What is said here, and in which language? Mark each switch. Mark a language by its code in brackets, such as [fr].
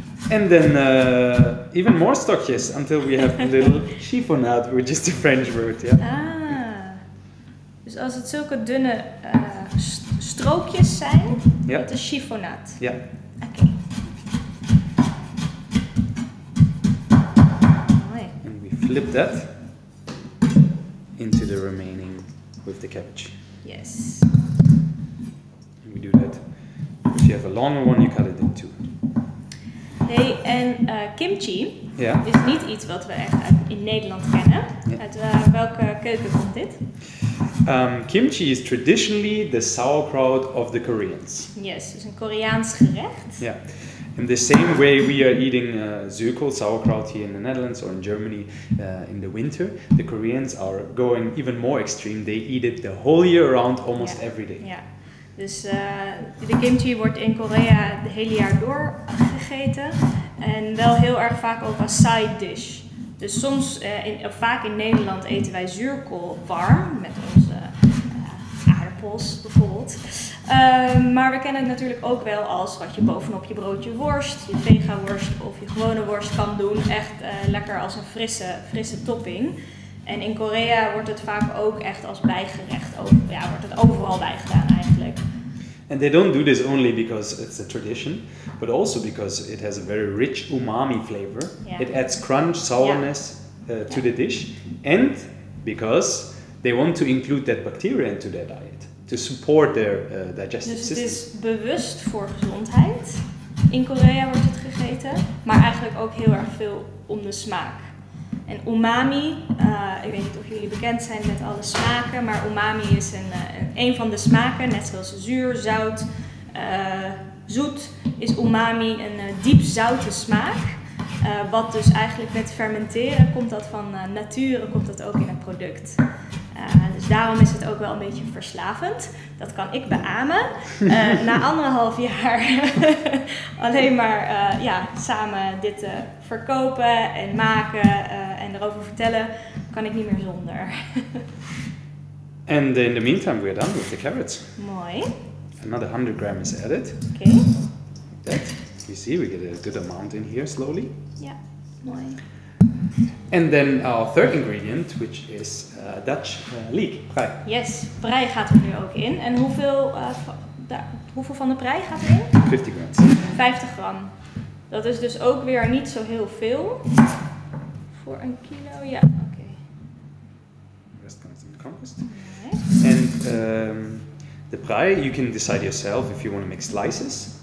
[en] And then even more stokjes until we have a little chiffonade, which is the French word, yeah. [nl] Ah, dus als het zulke dunne strookjes zijn, dat is chiffonade. Ja. Oké. [en] And we flip that into the remaining. With the cabbage. Yes. And we do that. If you have a longer one, you cut it in two. [nl] Hey, en kimchi is niet iets wat we echt in Nederland kennen. Yeah. Uit welke keuken komt dit? [en] Kimchi is traditionally the sauerkraut of the Koreans. [nl] Yes, dus een Koreaans gerecht. [en] Yeah. In the same way we are eating zuurkool, sauerkraut here in the Netherlands or in Germany in the winter, the Koreans are going even more extreme. They eat it the whole year round, almost every day. [nl] Ja, dus de kimchi wordt in Korea het hele jaar door gegeten en wel heel erg vaak ook als side dish. Dus soms, vaak in Nederland eten wij zuurkool warm met onze aardappels bijvoorbeeld. Maar we kennen het natuurlijk ook wel als wat je bovenop je broodje worst, je vega worst of je gewone worst kan doen. Echt lekker als een frisse topping. En in Korea wordt het vaak ook echt als bijgerecht, over, ja, wordt het overal bijgedaan eigenlijk. [en] And they don't do this only because it's a tradition, but also because it has a very rich umami flavor. Yeah. It adds crunch, sourness to the dish. And because they want to include that bacteria into their diet to support their digestive system. [nl] Dus het is bewust voor gezondheid. In Korea wordt het gegeten, maar eigenlijk ook heel erg veel om de smaak. En umami, ik weet niet of jullie bekend zijn met alle smaken, maar umami is een van de smaken, net zoals zuur, zout, zoet, is umami een diep zoute smaak. Wat dus eigenlijk met fermenteren komt dat van nature, komt dat ook in het product. Dus daarom is het ook wel een beetje verslavend. Dat kan ik beamen. Na anderhalf jaar alleen maar samen dit verkopen en maken en erover vertellen, kan ik niet meer zonder. [en] And in the meantime, we're done with the carrots. [nl] Mooi. [en] Another 100 gram is added. Okay. Like that. You see, we get a good amount in here slowly. [nl] Ja, mooi. [en] And then our third ingredient, which is Dutch leek, prei. [nl] Yes, prei gaat er nu ook in. En hoeveel van de prei gaat erin? 50 gram. 50 gram. Dat is dus ook weer niet zo heel veel. Voor een kilo, ja. Oké. [en] Okay. Rest comes in compost. [nl] En de prei, [en] you can decide yourself if you want to make slices.